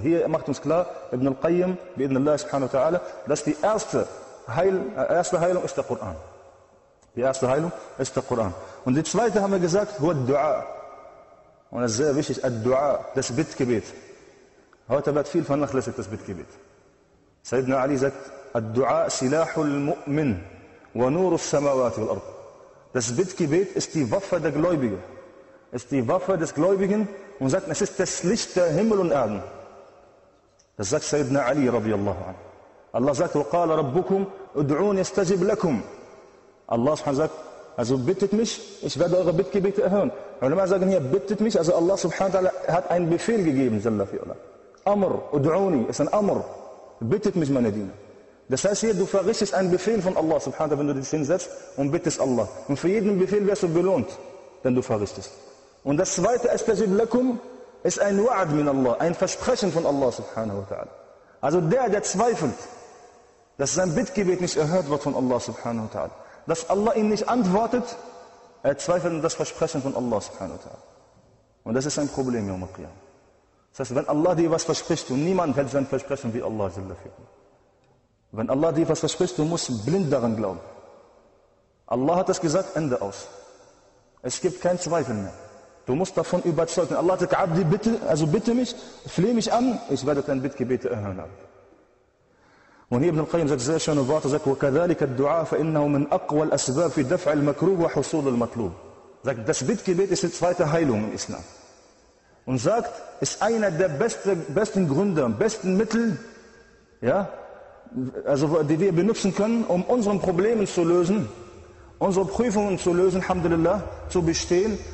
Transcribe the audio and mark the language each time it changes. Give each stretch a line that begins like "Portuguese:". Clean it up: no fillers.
German: Hier macht uns klar, Ibn al-Qayyim, bi'idhn Allah subhanahu wa ta'ala, dass die erste Heilung ist der Koran. Die erste Heilung ist der Koran. Und die zweite haben wir gesagt, huwa al-Dua. Und das ist sehr wichtig, al-Dua, das Bittgebet. Heute wird viel vernachlässigt, das Bittgebet.
Arabic: سيدنا علي زكت الدعاء سلاح المؤمن ونور السماوات والأرض.
German: Das Bittgebet ist die Waffe der Gläubigen. Ist die Waffe des Gläubigen und sagt, es ist das Licht der Himmel und Erden. Das sagt سيدنا علي رضي الله عنه. Allah sagt,
Arabic: وقال ربكم ادعوني استجب لكم.
German: Allah سبحانه sagt, also bittet mich, ich werde eure Bittgebete erhören. Ulama sagen hier, bittet mich, also Allah سبحانه hat einen Befehl gegeben,
Arabic: جل في علاه.
German: Amr, ادعوني, ist ein Amr. Bittet mich, meine Diener. Das heißt hier, du verrichtest einen Befehl von Allah, subhanahu wa ta'ala, wenn du dich hinsetzt und bittest Allah. Und für jeden Befehl wirst du belohnt, denn du verrichtest. Und das zweite,
Arabic: استجب لكم,
German: ist ein
Arabic: Wa'd min Allah,
German: ein Versprechen von Allah subhanahu wa ta'ala. Also der, der zweifelt, dass sein Bittgebet nicht erhört wird von Allah subhanahu wa ta'ala, dass Allah ihm nicht antwortet, er zweifelt an das Versprechen von Allah subhanahu wa ta'ala. Und das ist ein Problem, Yawm al-Qiyam. Das heißt, wenn Allah dir was verspricht und niemand hält sein Versprechen wie Allah, wenn Allah dir was verspricht, du musst blind daran glauben. Allah hat das gesagt, Ende aus. Es gibt keinen Zweifel mehr. Du musst davon überzeugt sein. Allah hat gesagt, Abdi, bitte, also bitte mich, flehe mich an, ich werde dein Bittgebet erhören. Und hier Ibn al-Qayyim sagt sehr schöne Worte, sagt,
Arabic: وَكَذَلِكَ الدُّعَاءَ فَإِنَّهُ مِنْ أَقْوَى الْأَسْبَابِ فِي دَفْعِ الْمَكْرُوبِ وَحُصُولِ الْمَطْلُوبِ.
German: Sagt, das Bittgebet ist die zweite Heilung im Islam. Und sagt, ist einer der besten Gründe, besten Mittel, ja, also die wir benutzen können, um unseren Problemen zu lösen, unsere Prüfungen zu lösen, Alhamdulillah, zu bestehen.